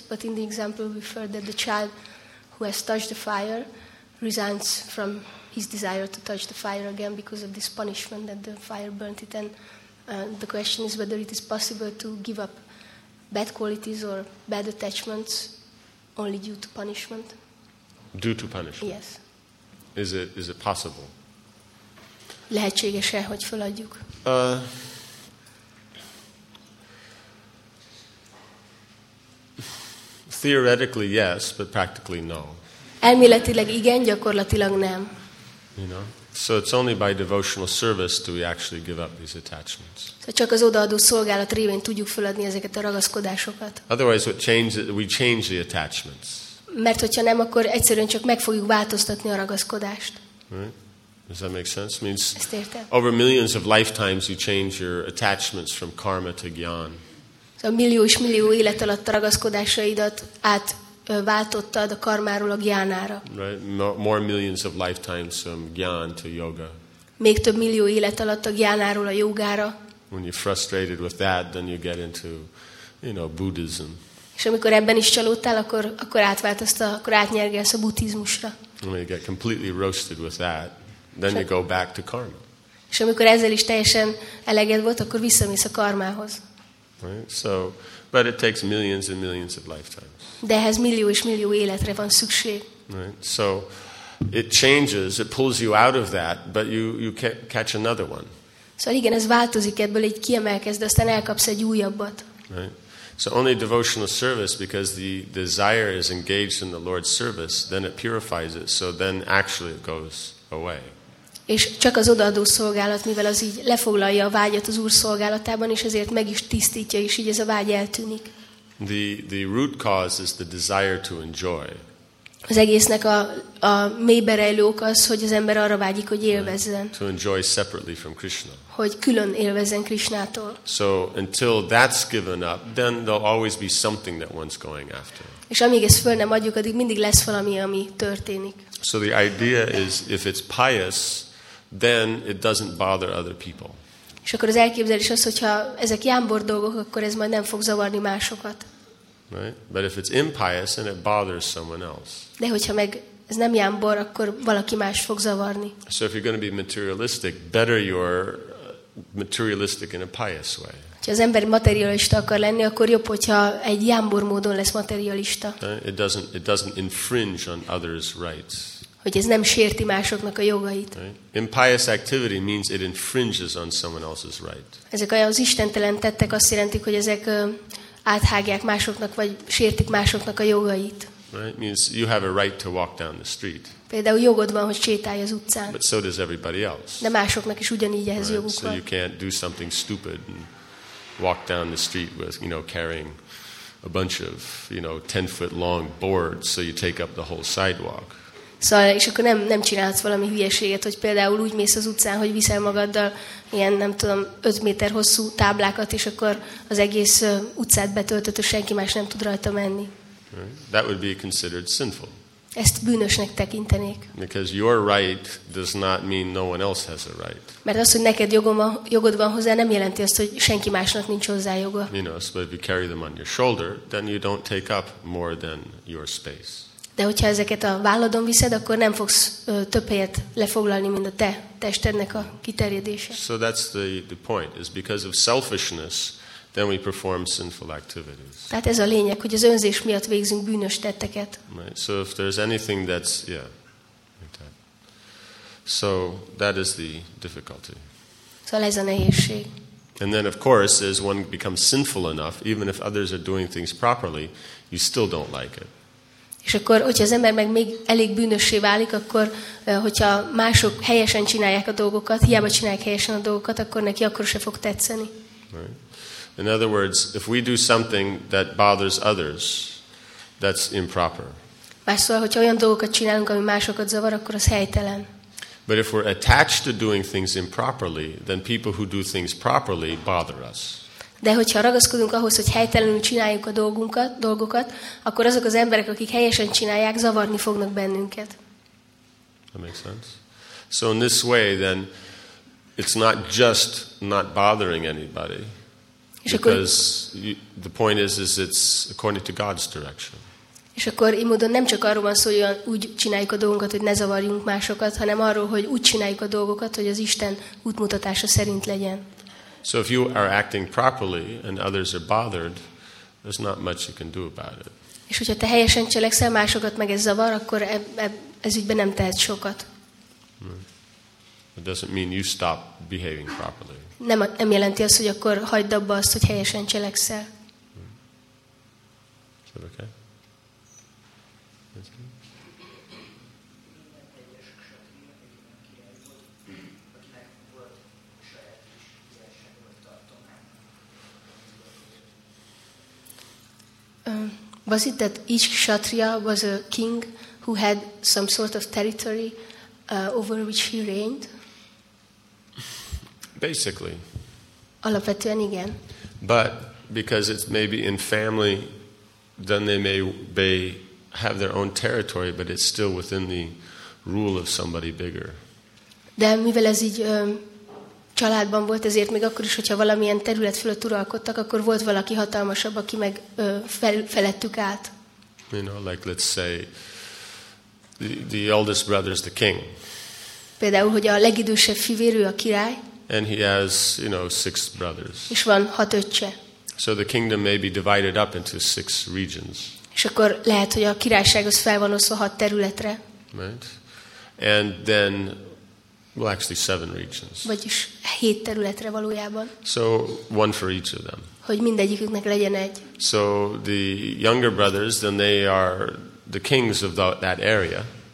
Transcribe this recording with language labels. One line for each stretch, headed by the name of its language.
English: But in the example we've heard that the child who has touched the fire resigns from his desire to touch the fire again because of this punishment that the fire burnt it. And the question is whether it is possible to give up bad qualities or bad attachments only due to punishment. Due to punishment. Yes. Is it possible?
Hungarian: Lehetséges-e, hogy feladjuk?
English: Theoretically yes, but practically no.
Hungarian: Elméletileg igen, gyakorlatilag nem.
English: You know? So it's only by devotional service do we actually give up these attachments.
Hungarian: Szóval csak az odaadó szolgálat révén tudjuk feladni ezeket a ragaszkodásokat.
English: Otherwise we change the attachments.
Hungarian: Mert hogyha nem, akkor egyszerűen csak meg fogjuk változtatni a ragaszkodást.
English: Right. Does that make sense? Means over millions of lifetimes you change your attachments from karma to gyan.
Hungarian: Szóval millió és millió élet alatt a ragaszkodásaidat átváltottad a karmáról a gyánára.
English: Right. More millions of lifetimes from gyan to yoga.
Hungarian: Még több millió élet alatt a gyánáról a jogára.
English: When you're frustrated with that, then you get into, you know, Buddhism.
Hungarian: És amikor ebben is csalódtál, akkor átváltozta, akkor átnyergelsz a buddhizmusra.
English: You get completely roasted with that, then you go back to karma.
Hungarian: És amikor ezzel is teljesen eleged volt, akkor visszamész a karmához.
English: Right? So, but it takes millions and millions of lifetimes.
Hungarian: De ehhez millió és millió életre van szükség.
English: Right? So, it changes, it pulls you out of that, but you catch another one.
Hungarian: Szóval igen, ez változik, ebből egy kiemelkezd, aztán elkapsz egy újabbat.
English: Right. So only devotional service, because the desire is engaged in the Lord's service, then it purifies it, so then actually it goes away.
Hungarian: És csak az odaadó szolgálat, mivel az így lefoglalja a vágyat az Úr szolgálatában, és ezért meg is tisztítja, és így ez a vágy eltűnik.
English: The root cause is the desire to enjoy.
Hungarian: Az egésznek a mélybe rejlő ok az, hogy az ember arra vágyik, hogy élvezzen.
English: To enjoy separately from Krishna.
Hungarian: Hogy külön élvezzen Krishnától.
English: So until that's given up, then there'll always be something that one's going after.
Hungarian: És amíg ezt föl nem adjuk, addig mindig lesz valami, ami történik.
English: So the idea is, if it's pious, then it doesn't bother other people.
Hungarian: És akkor az elképzelés az, hogyha ezek jámbor dolgok, akkor ez majd nem fog zavarni másokat.
English: Right? But if it's impious, then it bothers someone else.
Hungarian: De hogyha meg ez nem jámbor, akkor valaki más fog zavarni.
English: So if you're going to be materialistic, better your materialistic in a pious way.
Hungarian: Ha az ember materialista akar lenni, akkor jobb, hogyha egy jámbor módon lesz materialista.
English: It doesn't infringe on others' rights.
Hungarian: Hogy ez nem sérti másoknak a jogait.
English: Right? Impious activity means it infringes on someone else's right.
Hungarian: Ezek az istentelen tettek azt jelentik, hogy ezek áthágják másoknak, vagy sértik másoknak a jogait.
English: Right? Means you have a right to walk down the street.
Hungarian: Például jogod van, hogy sétálj az utcán.
English: But so does everybody else.
Hungarian: De másoknak is ugyanígy ehhez
English: right?
Hungarian: joguk van.
English: So you can't do something stupid and walk down the street with, you know, carrying a bunch of, you know, 10-foot long boards, so you take up the whole sidewalk.
Hungarian: Szóval, és akkor nem csinálsz valami hülyeséget, hogy például úgy mész az utcán, hogy viszel magaddal ilyen, nem tudom, 5 méter hosszú táblákat, és akkor az egész utcát betöltött, és senki más nem tud rajta menni.
English: That would be considered sinful.
Hungarian: Ezt bűnösnek tekintenék.
English: Because your right does not mean no one else has a right.
Hungarian: Mert az, hogy neked jogod van hozzá, nem jelenti azt, hogy senki másnak nincs hozzá joga.
English: You know, so if you carry them on your shoulder, then you don't take up more than your space.
Hungarian: De hogyha ezeket a válladon viszed, akkor nem fogsz több helyet lefoglalni, mint a te testednek a kiterjedése.
English: So that's the point, is because of selfishness, then we perform sinful activities.
Hungarian: Tehát ez a lényeg, hogy az önzés miatt végzünk bűnös tetteket.
English: Right. So if there's anything that's, yeah, like that. So that is the difficulty.
Hungarian: Szóval ez a nehézség.
English: And then of course, as one becomes sinful enough, even if others are doing things properly, you still don't like it.
Hungarian: És akkor, hogyha az ember meg még elég bűnössé válik, akkor, hogyha mások helyesen csinálják a dolgokat, hiába csinálják helyesen a dolgokat, akkor neki akkor se fog tetszeni.
English: Right. In other words, if we do something that bothers others, that's improper.
Hungarian: Más szóval, hogyha olyan dolgokat csinálunk, ami másokat zavar, akkor az helytelen.
English: But if we're attached to doing things improperly, then people who do things properly bother us.
Hungarian: De hogyha ragaszkodunk ahhoz, hogy helytelenül csináljuk a dolgokat, akkor azok az emberek, akik helyesen csinálják, zavarni fognak bennünket.
English: That makes sense. So in this way, then, it's not just not bothering anybody, because the point is it's according to God's direction.
Hungarian: És akkor így módon nem csak arról van szó, hogy úgy csináljuk a dolgokat, hogy ne zavarjunk másokat, hanem arról, hogy úgy csináljuk a dolgokat, hogy az Isten útmutatása szerint legyen.
English: So if you are acting properly and others are bothered, there's not much you can do about it.
Hungarian: És hogyha te helyesen cselekszel, másokat meg ez zavar, akkor ez ügyben nem tehet sokat.
English: It doesn't mean you stop behaving properly.
Hungarian: Nem jelenti azt, hogy akkor hagyd abba azt, hogy helyesen cselekszel.
English: Is that okay? Was it that each kshatriya was a king who had some sort of territory over which he reigned? Basically.
Hungarian: Alapvetően igen.
English: But because it's maybe in family, then they may have their own territory, but it's still within the rule of somebody bigger.
Hungarian: De mivel ez így családban volt, ezért még akkor is, hogyha valamilyen terület fölött uralkodtak, akkor volt valaki hatalmasabb, aki meg felettük állt.
English: You know, like let's say the eldest brother is the king.
Hungarian: Például, hogy a legidősebb fivérő a király.
English: And he has, you know, 6 brothers.
Hungarian: És van 6 öccse.
English: So the kingdom may be divided up into 6 regions.
Hungarian: És akkor lehet, hogy a királyság az fel van osztva 6 területre.
English: Right. And then Well, actually, seven regions.
Hungarian: Vagyis hét területre valójában.
English: So one for each of them.
Hungarian: Hogy mindegyiküknek legyen egy.
English: So the younger brothers, then they are the kings of that area.